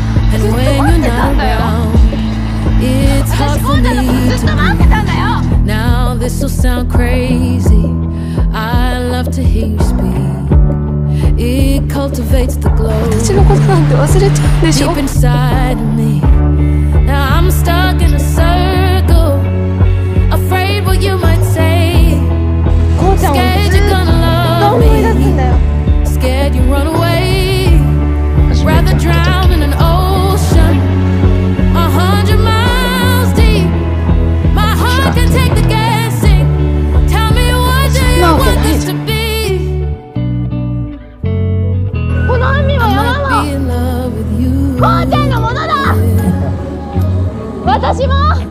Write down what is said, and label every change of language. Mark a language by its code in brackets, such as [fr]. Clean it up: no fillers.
[ja] ずっと待ってたんだよ。私コータのことずっと待ってたんだよ。 [en] Now this will sound crazy, I love to hear you speak It cultivates the glow. [ja] 私のことなんて忘れちゃうんでしょ。 [en] Deep inside of me. Now I'm stuck in a circle. Afraid what you might say. Scared you're gonna love me. Scared you run away. Rather drown in an ocean. 100 miles deep. My heart can take the guessing. Tell me what do you want this to be? [ja] この海は山も、コウちゃんのものだ。私も